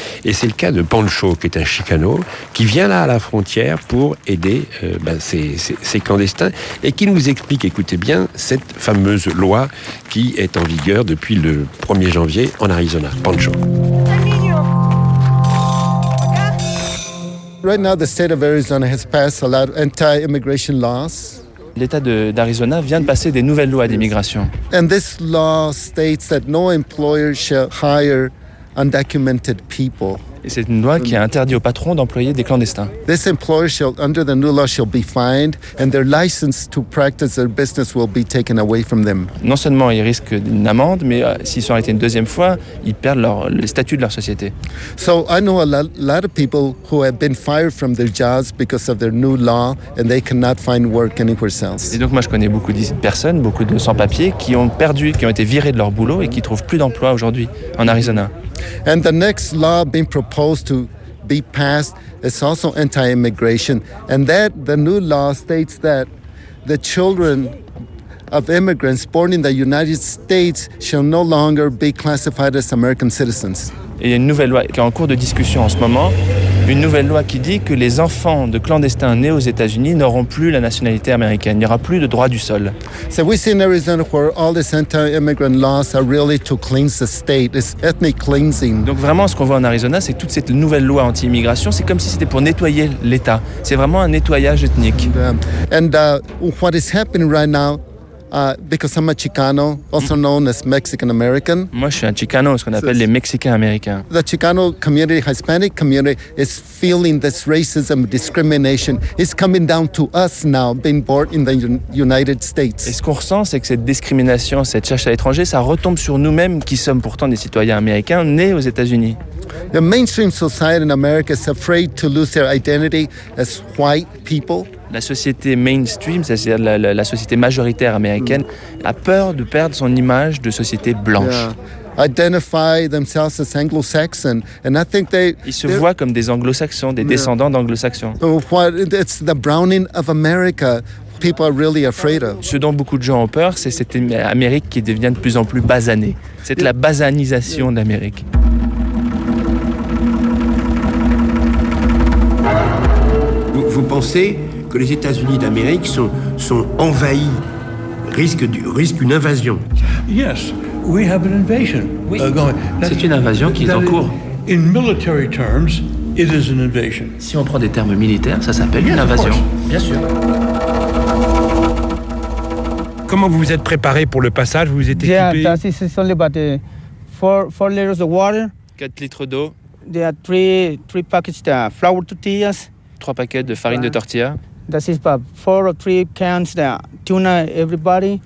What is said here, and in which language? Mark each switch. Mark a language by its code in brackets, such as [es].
[fr] Et c'est le cas de Pancho, qui est un Chicano, qui vient là à la frontière pour aider ses clandestins, et qui nous explique, écoutez bien, cette fameuse loi qui est en vigueur depuis le 1er janvier en Arizona. Pancho. [en] Right now, the state of Arizona has passed a lot of anti-immigration laws. [fr] L'État d'Arizona vient de passer des nouvelles lois d'immigration. [en] And this law states that no employer shall hire undocumented people. [fr] Et c'est une loi qui a interdit aux patrons d'employer des clandestins. [en] This employer shall, under the new law, shall be fined, and their license to practice their business will be taken away from them. [fr] Non seulement ils risquent une amende, mais s'ils sont arrêtés une deuxième fois, ils perdent le statut de leur société. [en] So I know a lot of people who have been fired from their jobs because of their new law, and they cannot find work anywhere else. [fr] Et donc moi je connais beaucoup de personnes, beaucoup de sans-papiers, qui ont été virés de leur boulot et qui trouvent plus d'emploi aujourd'hui en Arizona. [en] And the next law being proposed to be passed is also anti-immigration. And that the new law states that the children of immigrants born in the United States shall no longer be classified as American citizens. [fr] Il y a une nouvelle loi qui est en cours de discussion en ce moment. Une nouvelle loi qui dit que les enfants de clandestins nés aux États-Unis n'auront plus la nationalité américaine. Il n'y aura plus de droit du sol. [en] So we see in Arizona where all these anti-immigrant laws are really to cleanse the state. It's ethnic cleansing. [fr] Donc vraiment, ce qu'on voit en Arizona, c'est toute cette nouvelle loi anti-immigration. C'est comme si c'était pour nettoyer l'État. C'est vraiment un nettoyage ethnique. [en] And what is happening right now? Because I'm a Chicano, also known as Mexican American. [fr] Moi, je suis un Chicano, ce qu'on appelle les Mexicains américains. [en] The Chicano community, Hispanic community, is feeling this racism, discrimination. It's coming down to us now, being born in the United States. [fr] Et ce qu'on ressent, c'est que cette discrimination, cette chasse à l'étranger, ça retombe sur nous-mêmes, qui sommes pourtant des citoyens américains nés aux États-Unis. [en] The mainstream society in America is afraid to lose their identity as white people. [fr] La société mainstream, c'est-à-dire la société majoritaire américaine, a peur de perdre son image de société blanche. [en] Yeah. Identify themselves as Anglo-Saxon, and I think [fr] ils voient comme des Anglo-Saxons, des descendants d'Anglo-Saxons. [en] It's the browning of America. People are really afraid of. [fr] Ce dont beaucoup de gens ont peur, c'est cette Amérique qui devient de plus en plus basanée. C'est la basanisation d'Amérique. Vous pensez que les États-Unis d'Amérique sont envahis, risquent une invasion? [en] Yes, we have an invasion. [fr] Oui. C'est une invasion qui est en cours. [en] In military terms, it is an invasion. [fr] Si on prend des termes militaires, ça s'appelle une invasion. Bien sûr. Comment vous vous êtes préparé pour le passage? Vous vous êtes équipé? [en] Yeah, this is only about 4 liters of water. [fr] 4 litres d'eau. [en] There are 3 packages of flour tortillas. [fr] 3 paquets de farine de tortilla. [en] That is about 4 or 3 cans of tuna, everybody.